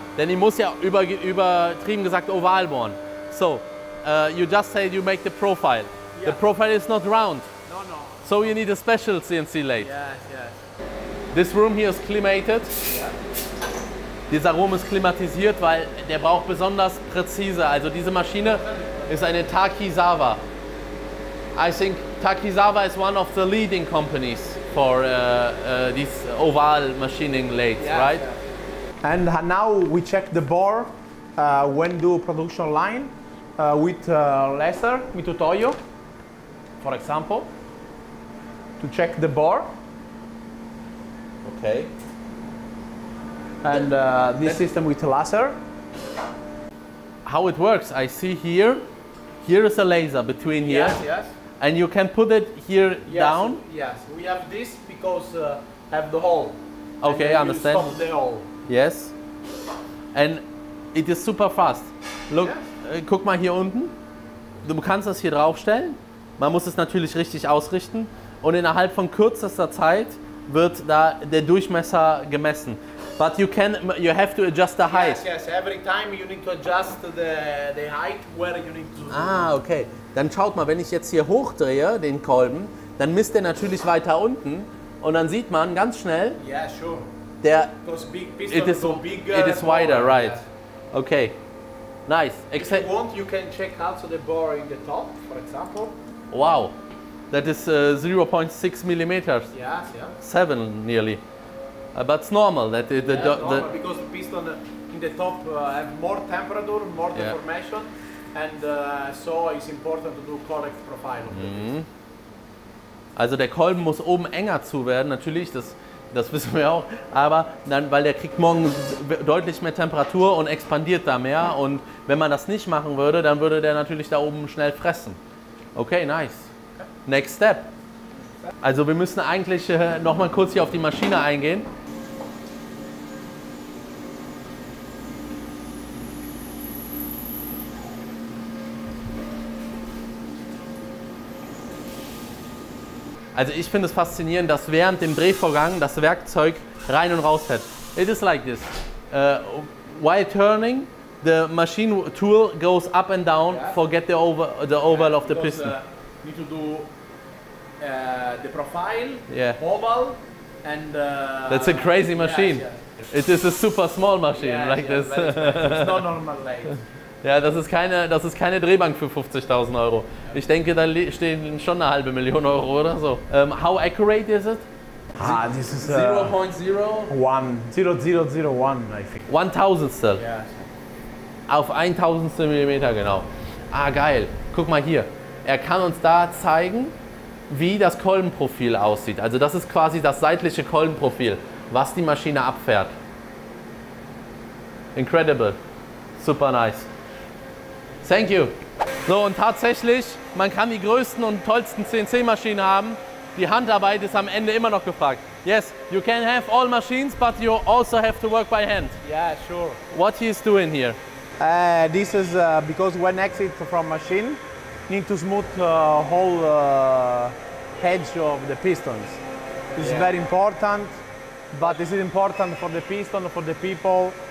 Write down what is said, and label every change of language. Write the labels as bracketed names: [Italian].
[German] Denn die muss ja übertrieben gesagt oval bohren. [English] So, you just said you make the profile. Yeah. The profile is not round. No, no. So you need a special CNC lathe. Yeah. This room here is climated. [German] Dieser Raum ist klimatisiert, weil der braucht besonders präzise. Also diese Maschine ist eine Takisawa. [English] I think Takisawa is one of the leading companies for this oval machining lathe, yeah, right? Yeah. And now we check the bore when do production line with laser, Mitutoyo, for example, to check the bore. Okay. And this system with laser. How it works, I see here. Here is a laser between here. Yes, yes. And you can put it here down. Yes, we have this because have the hole. Okay, I understand. Stop the hole. Yes. And it is super fast. Look, yes. [German] Guck mal hier unten. Du kannst das hier draufstellen. Man muss es natürlich richtig ausrichten. Und innerhalb von kürzester Zeit wird da der Durchmesser gemessen. [English] But you have to adjust the height. Yes, yes. Every time you need to adjust the height where you need to. Ah, okay. [German] Dann schaut mal, wenn ich jetzt hier hochdrehe den Kolben, dann misst der natürlich weiter unten und dann sieht man ganz schnell. [English] Yeah, sure. [German] Der. [English] Because big pistons are bigger. It is wider, more, right? Yeah. Okay. Nice. Except. If you want, you can check also the bore in the top, for example. Wow, that is 0.6 millimeters. Yes, yeah. 7 nearly. But it's normal that because the piston in the top have more temperature, more deformation, and so it's important to do correct profile. [German] Also der Kolben muss oben enger zu werden, natürlich, das wissen wir auch, aber dann, weil der kriegt morgen deutlich mehr Temperatur und expandiert da mehr, und wenn man das nicht machen würde, dann würde der natürlich da oben schnell fressen. [English] Okay, nice. Okay. Next step. [German] Also wir müssen eigentlich noch mal kurz hier auf die Maschine eingehen. Also ich finde es faszinierend, dass während dem Drehvorgang das Werkzeug rein und raus fährt. [English] It is like this. While turning, the machine tool goes up and down, yeah, for get the oval of the piston. Need to do the profile, yeah, oval, and that's a crazy machine. Yes, yes. It is a super small machine, yes, like, yes, this. It's not normal lathe. [German] Ja, das ist keine Drehbank für 50.000 Euro. Ich denke, da stehen schon eine halbe Million Euro oder so. [English] How accurate is it? Ah, this is 0.01, I think. One thousandstel. Yes. [German] Auf 1000stel Millimeter, genau. Ah, geil. Guck mal hier. Er kann uns da zeigen, wie das Kolbenprofil aussieht. Also das ist quasi das seitliche Kolbenprofil, was die Maschine abfährt. [English] Incredible. Super nice. Thank you. [German] So, und tatsächlich, man kann die größten und tollsten CNC-Maschinen haben. Die Handarbeit ist am Ende immer noch gefragt. [English] Yes, you can have all machines, but you also have to work by hand. Yeah, sure. What he is doing here? This is because when exit from machine, need to smooth whole edge of the pistons. It's very important, but this is important for the piston, for the people.